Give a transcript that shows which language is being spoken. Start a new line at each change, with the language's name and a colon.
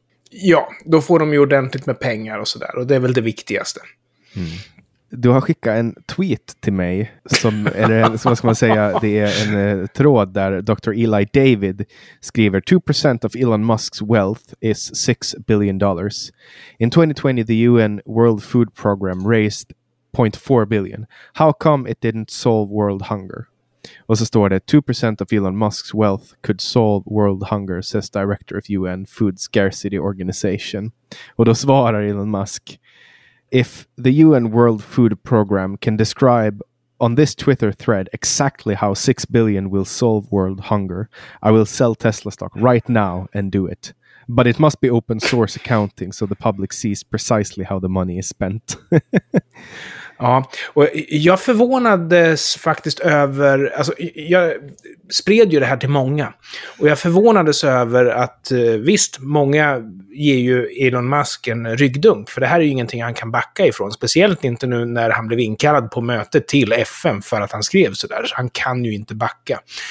Swedish: Ja, då får de ju ordentligt med pengar och sådär, och det är väl det viktigaste. Du har skickat en tweet till mig som, eller vad ska man säga, det är en tråd där Dr.
English: Eli David
Swedish: skriver
English: 2% of Elon Musk's wealth is $6 billion. In 2020, the UN World Food Program raised 0.4 billion. How come it didn't solve world hunger?
Swedish: Och så står det
English: 2% of Elon Musk's wealth could solve world hunger, says director of UN Food Scarcity Organization.
Swedish: Och då svarar
English: Elon Musk: if the UN World Food Program can describe on this Twitter thread exactly how $6 billion will solve world hunger, I will sell Tesla stock right now and do it. But it must be open source accounting so the public sees precisely how the money is spent.
Swedish: Ja, och jag förvånades faktiskt över, alltså jag spred ju det här till många, och jag förvånades över att visst, många ger ju Elon Musk en ryggdunk, för det här är ju ingenting han kan backa ifrån, speciellt inte nu när han blev inkallad på mötet till FN för att han skrev sådär, så han kan ju inte backa.